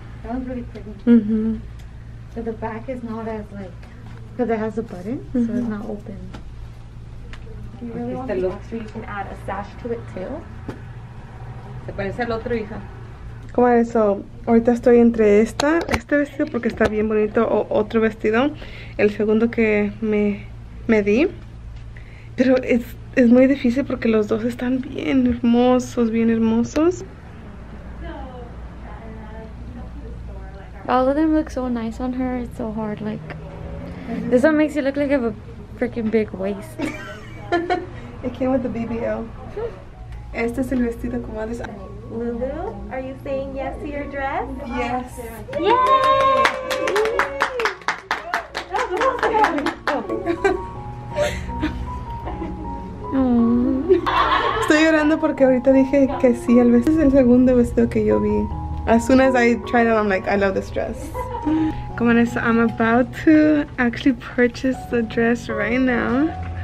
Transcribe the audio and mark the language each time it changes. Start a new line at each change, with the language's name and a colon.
English: That one's really pretty. Mm-hmm. So the back is not as like, because it has a button, mm-hmm. So it's not open. Do you really want the look? So you can add a sash to it too.
Spanish: Se parece al otro, hija. ¿Cómo es eso? Ahorita estoy entre este vestido porque está bien bonito, o otro vestido, el segundo que me di. Pero es muy difícil porque los dos están bien hermosos.
English: All of them look so nice on her. It's so hard. Like, this one makes you look like you have a freaking big waist. It came with the BBL.
Spanish: Este es el vestido como dice.
English: Lulu, are you saying yes to your dress? Yes. Yay! Yay! That was awesome. Oh. Aww.
Spanish: Estoy llorando porque ahorita dije que sí. Al veces es el segundo vestido que yo vi.
English: As soon as I tried it, I'm like, I love this dress. Come on, so I'm about to actually purchase the dress right now.